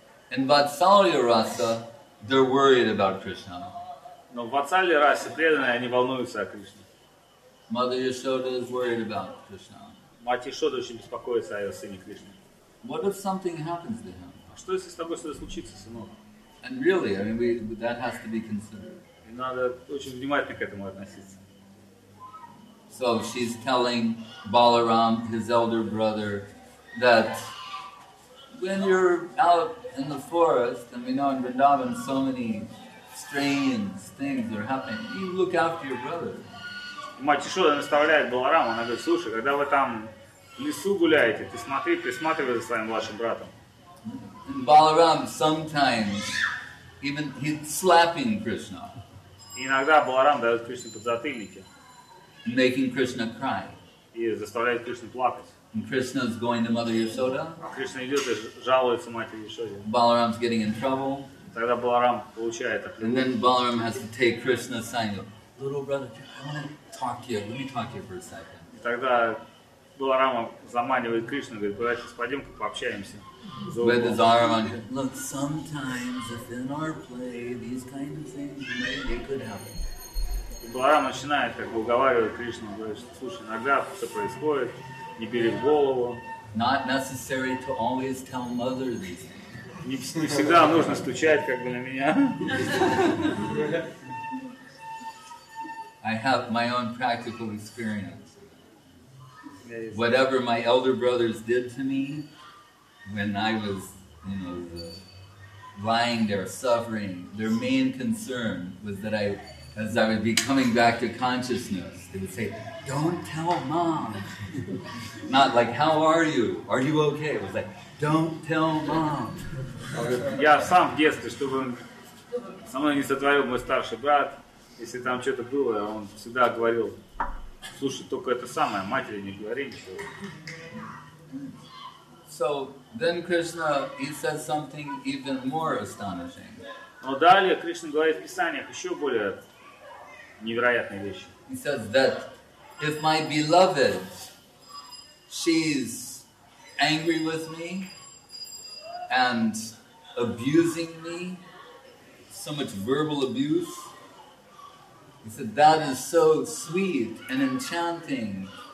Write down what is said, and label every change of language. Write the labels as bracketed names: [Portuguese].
[English] In Vatsalya Rasa, they're worried about Krishna. [Russian] Но в Vatsalya Rasa преданные они волнуются о Кришне. [English] Mother Yashoda is worried about Krishna. [Russian] Мать Яшода очень беспокоится о ее сыне Кришне. [English] What if something happens to him? [Russian] А что если с тобой что-то случится, сынок? [English] And really, I mean, that has to be considered. [Russian] Надо очень внимательно к этому относиться. [English] So she's telling Balaram, his elder brother, that when you're out in the forest, and we know in Vrindavan so many strange things are happening, you look after your brother. [Russian] Мать Яшода наставляет Баларама, она говорит, слушай, когда вы там в лесу гуляете, ты смотри, присматривай за своим вашим братом. [English] And Balaram sometimes, even he's slapping Krishna. [Russian] Иногда Баларам дает Кришне подзатыльники. [English] Making Krishna cry. [Russian] И заставляет Кришну плакать. [English] And Krishna's going to Mother Yashoda. [Russian] А Кришна идет и жалуется матери Яшоде. [English] Balaram's getting in trouble. [Russian] Тогда Баларам получает оплеуху. [English] And then Balaram has to take Krishna's sign. Little brother, I want to talk to you. Let me talk to you for a second. [Russian] И тогда Баларама заманивает Кришну, говорит, братец, пойдем-ка пообщаемся. [English] With his arm on him. Look, sometimes if in our play these kind of things maybe could happen. [Russian] Баларама начинает как бы уговаривать Кришну, говорит, что слушай, иногда все происходит, не бери в голову. [English] Not necessary to always tell mother these things. [Russian] Не всегда нужно стучать как бы на меня. [English] I have my own practical experience. Whatever my elder brothers did to me when I was, you know, lying there suffering, their main concern was that I, as I would be coming back to consciousness, they would say, "Don't tell mom." Not like, "How are you? Are you okay?" It was like, "Don't tell mom." [Russian] Я сам в детстве, чтобы со мной не сотворил мой старший брат, если там что-то было, он всегда говорил: "Слушай, только это самое, матери не говори ничего." [English] So then Krishna, he says something even more astonishing. [Russian] Но далее Кришна говорит в писаниях еще более невероятные вещи. [English] He says that if my beloved, she's angry with me and abusing me, so much verbal abuse, he said, that is so sweet and enchanting.